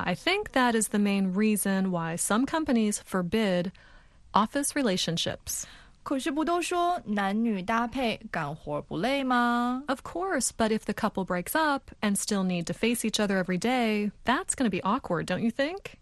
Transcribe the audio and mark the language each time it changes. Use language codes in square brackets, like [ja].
[en] I think that is the main reason why some companies forbid office relationships. [zh] 可是不都说男女搭配干活不累吗? [en] Of course, but if the couple breaks up and still need to face each other every day, that's going to be awkward, don't you think?